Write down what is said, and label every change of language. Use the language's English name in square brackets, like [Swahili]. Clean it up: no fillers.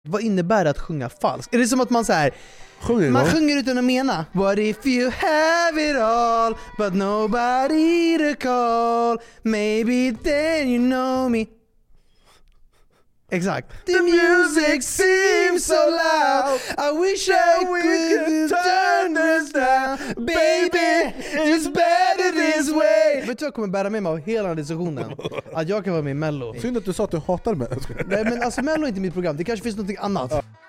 [Swedish] Vad innebär det att sjunga falskt? Är det som att man så här sjunger man sjunger utan att mena? [English] What if you have it all but nobody to call? Maybe then you know me. [Swedish] Exakt. [English] The music seems so loud. I wish I could turn this down. Baby, it's better this way. [Swedish] Vet du vad jag kommer bära med mig av hela diskussionen? Att jag kan vara med i Mello. Synd att du sa att du hatar mig. Nej, men alltså Mello är inte mitt program. Det kanske finns något annat.